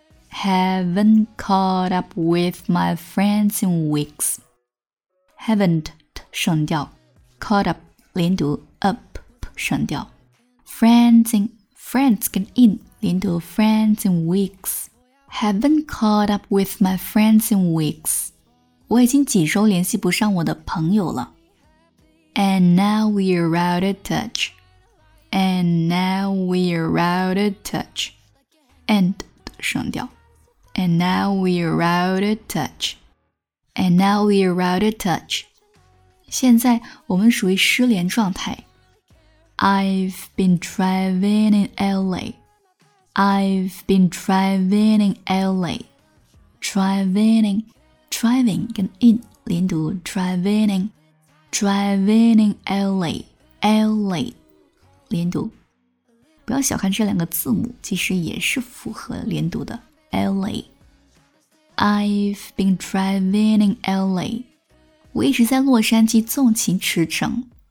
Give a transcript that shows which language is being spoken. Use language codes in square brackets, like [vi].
[en] Haven't caught up with my friends in weeks. Haven't 省掉 caught up 连读 up 省掉 friends in friends 跟 in 连读 friends in weeks. Haven't caught up with my friends in weeks. [zh] 我已经几周联系不上我的朋友了。 [en] And now we're out of touch. And now we're out of touch. And 省掉。And now we're out of touch. And now we're out of touch. [zh] 现在我们属于失联状态。 [en] I've been driving in LA. I've been driving in LA. Driving, driving 跟 in 连读 drivingDriving in LA, LA, 连读。 [zh] 不要小看这两个字母，其实也是符合连读的。 [en] LA, I've been driving in LA. [zh] 我一直在洛杉矶纵情驰骋。